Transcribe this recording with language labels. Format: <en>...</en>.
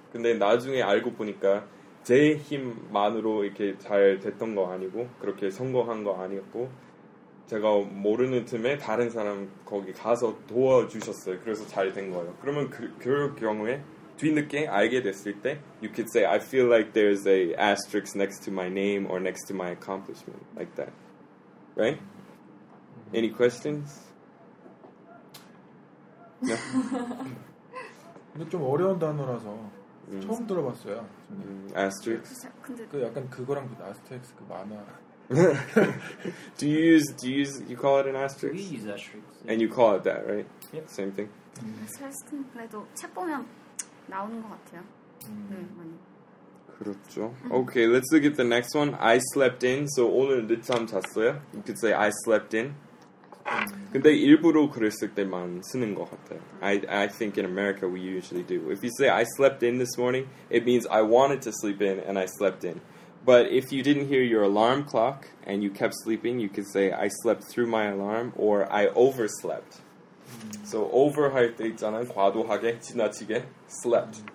<ko>근데 나중에 알고 보니까 제 힘만으로 이렇게 잘 됐던 거 아니고 그렇게 성공한 거 아니었고 제가 모르는 틈에 다른 사람 거기 가서 도와주셨어요. 그래서 잘 된 거예요. 그러면 그 경우에 뒤늦게 알게 됐을 때</ko> <en>you could say I feel like there's a asterisk next to my name or next to my accomplishment like that. Right? Any questions? No?</en> <ko>근데 좀 어려운 단어라서 처음 들어봤어요.</ko> <en>Asterix.</en> <ko>그 약간 그거랑 그 아스텍스 그 만화.</ko> <en>Do you use you call it an asterix? We use asterix. Yeah. And you call it that, right? Yep. Same thing.</en> <ko>아스텍스는 그래도 책 보면 나오는 것 같아요. 그렇죠.</ko> <en>Okay, let's look at the next one. I slept in. So</en> <ko>오늘 늦잠 잤어요.</ko> <en>You could say I slept in.</en> <ko>근데 일부러 그랬을 때만 쓰는 것 같아요.</ko> <en>I think in America we usually do. If you say I slept in this morning, it means I wanted to sleep in and I slept in. But if you didn't hear your alarm clock and you kept sleeping, you could say I slept through my alarm or I overslept.</en> <ko>So over 할 때 있잖아. 과도하게, 지나치게, slept.</ko>